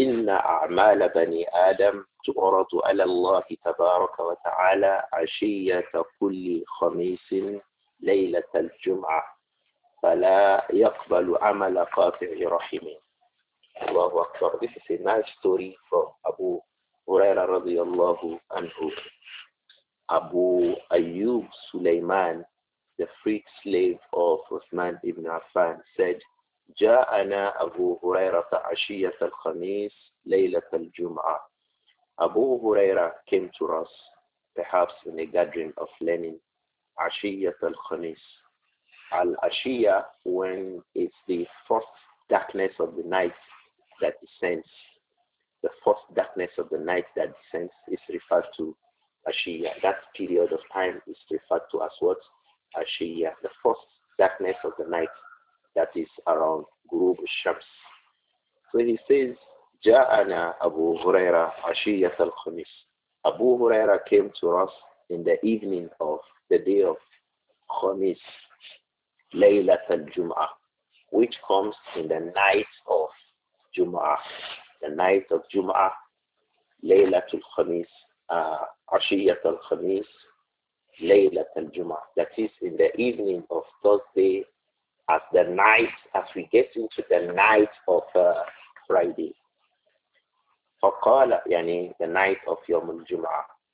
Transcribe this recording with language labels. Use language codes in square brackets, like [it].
[ar] أعمال بني آدم تعرض على الله تبارك وتعالى عشية كل خميس ليلة الجمعة فلا يقبل عمل قاطع رحم." الله أكبر. [en] This is a nice story from Abu Huraira [ar] رضي الله عنه. [en] Abu Ayyub Sulaiman, the freed slave of Uthman ibn Affan, said, [ar] "جاءنا أبو هريرة عشية الخميس ليلة الجمعة." [en] Abu Huraira came to us, perhaps in a gathering of learning, Ashiyat al-Khamis. Al-Ashiyah, when it's the first darkness of the night that descends, the first darkness of the night that descends is referred to Ashiyah. That period of time is referred to as what? Ashiyah. The first darkness of the night that is around Ghurub al-Shams. So he says, [ar] "جاءنا أبو هريرة عشية الخميس." [en] Abu Huraira came to us in the evening of the day of Khamis, [ar] ليلة الجمعة, [en] which comes in the night of Jum'ah. The night of Jum'ah, [ar] ليلة الخميس, عشية الخميس, ليلة الجمعة. [en] That is in the evening of Thursday, as the night, as we get into the night of Friday. [ar] فَقَالَ يعني [en] the night of [ar] يوم الجمعة.